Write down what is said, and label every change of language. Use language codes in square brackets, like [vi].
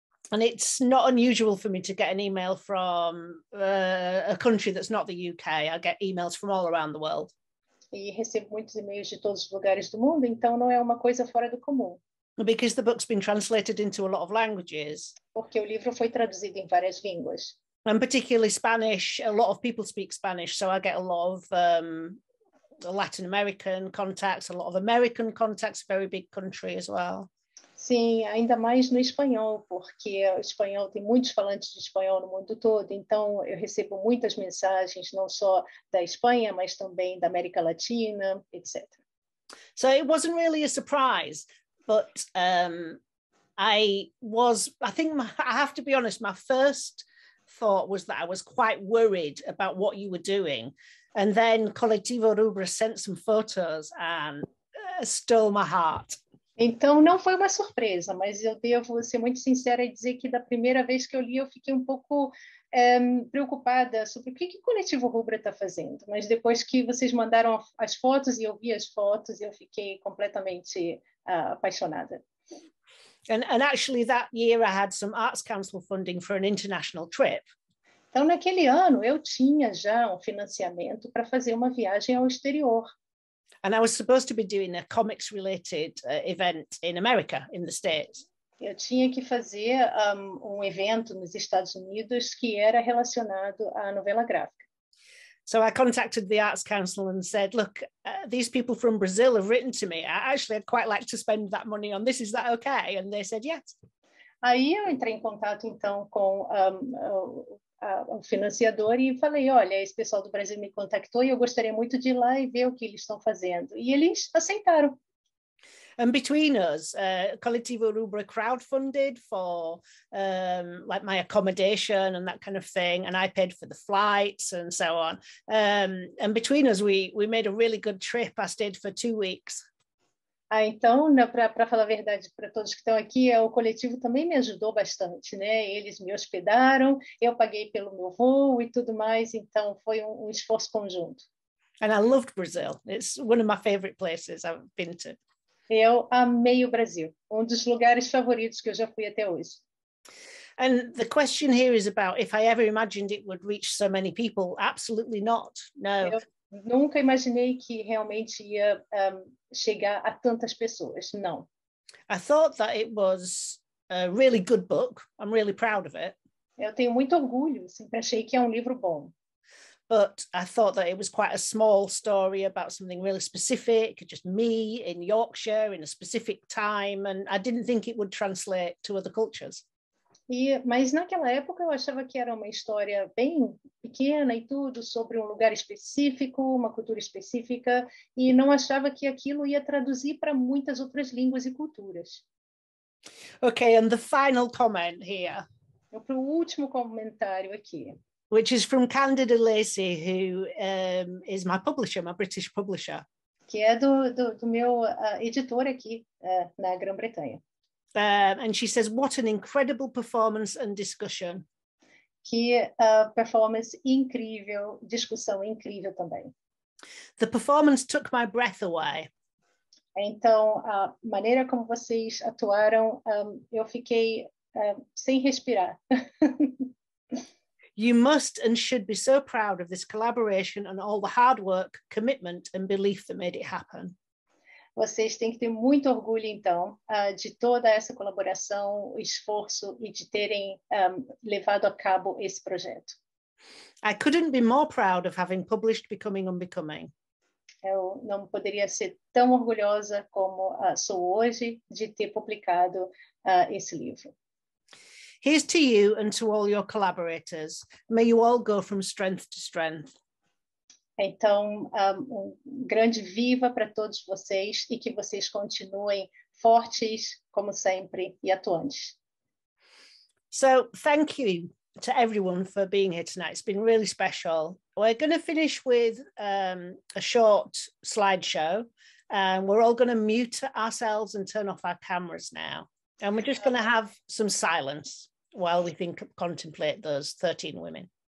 [en] And it's not unusual for me to get an email from a country that's not the UK. I get emails from all around the world. [pt] E recebo muitos e-mails de todos os lugares do mundo, então não é uma coisa fora do comum. [en] Because the book's been translated into a lot of languages. [pt] Porque o livro foi traduzido em várias línguas. [en] And particularly Spanish, a lot of people speak Spanish, so I get a lot of Latin American contacts, a lot of American contacts, a very big country as well. [pt] Sim, ainda mais no espanhol, porque o espanhol tem muitos falantes de espanhol no mundo todo, então eu recebo muitas mensagens, não só da Espanha, mas também da América Latina, etc. [en] So it wasn't really a surprise. But I have to be honest, my first thought was that I was quite worried about what you were doing. And then Coletivo Rubra sent some photos and stole my heart. [pt] Então, não foi uma surpresa, mas eu devo ser muito sincera e dizer que da primeira vez que eu li, eu fiquei um pouco preocupada sobre o que Coletivo Rubra está fazendo. Mas depois que vocês mandaram as fotos e eu vi as fotos, eu fiquei completamente apaixonada. [en] And actually, that year I had some Arts Council funding for an international trip. [pt] Então, naquele ano, eu tinha já um financiamento para fazer uma viagem ao exterior. [en] And I was supposed to be doing a comics-related event in America, in the States. [pt] Eu tinha que fazer um evento nos Estados Unidos que era relacionado à novela gráfica. [en] So I contacted the Arts Council and said, look, these people from Brazil have written to me. I'd quite like to spend that money on this. Is that okay? And they said, yes. [pt] Aí eu entrei em contato, então, com o financiador e falei, olha, esse pessoal do Brasil me contactou e eu gostaria muito de ir lá e ver o que eles estão fazendo. E eles aceitaram. [en] And between us, Coletivo Rubra crowdfunded for like my accommodation and that kind of thing, and I paid for the flights and so on. And between us, we made a really good trip. I stayed for 2 weeks. [pt] Ah, então, né, para falar a verdade para todos que estão aqui, o coletivo também me ajudou bastante, né? Eles me hospedaram, eu paguei pelo meu voo e tudo mais, então foi um esforço conjunto. [en] And I loved Brazil. It's one of my favorite places I've been to. [pt] Eu amei o Brasil, um dos lugares favoritos que eu já fui até hoje. [en] And the question here is about if I ever imagined it would reach so many people. Absolutely not. No. [pt] Eu nunca imaginei que realmente ia chegar a tantas pessoas, não. [en] I thought that it was a really good book. I'm really proud of it. [pt] Eu tenho muito orgulho, sempre achei que é um livro bom. [en] But I thought that it was quite a small story about something really specific, just me in Yorkshire in a specific time, and I didn't think it would translate to other cultures. [pt] Mas naquela época eu achava que era uma história bem pequena e tudo, sobre um lugar específico, uma cultura específica, e não achava que aquilo ia traduzir para muitas outras línguas e culturas. [en] Okay, and the final comment here. [pt] Eu para o último comentário aqui. [en] Which is from Candida Lacey, who is my publisher, my British publisher. [pt] Que é do meu editor aqui na Grã-Bretanha. [en] And she says, what an incredible performance and discussion. [pt] Que performance incrível, discussão incrível também. [en] The performance took my breath away. [pt] Então, a maneira como vocês atuaram, eu fiquei sem respirar. [en] You must and should be so proud of this collaboration and all the hard work, commitment and belief that made it happen. [pt] Vocês têm que ter muito orgulho, então, de toda essa colaboração, esforço e de terem levado a cabo esse projeto. [en] I couldn't be more proud of having published Becoming Unbecoming. [pt] Eu não poderia ser tão orgulhosa como sou hoje de ter publicado esse livro. [en] Here's to you and to all your collaborators. May you all go from strength to strength. [pt] Então, um grande viva para todos vocês e que vocês continuem fortes, como sempre, e atuantes. [en] So, thank you to everyone for being here tonight. It's been really special. We're going to finish with a short slideshow, and we're all going to mute ourselves and turn off our cameras now. And we're just going to have some silence while we think contemplate those 13 women.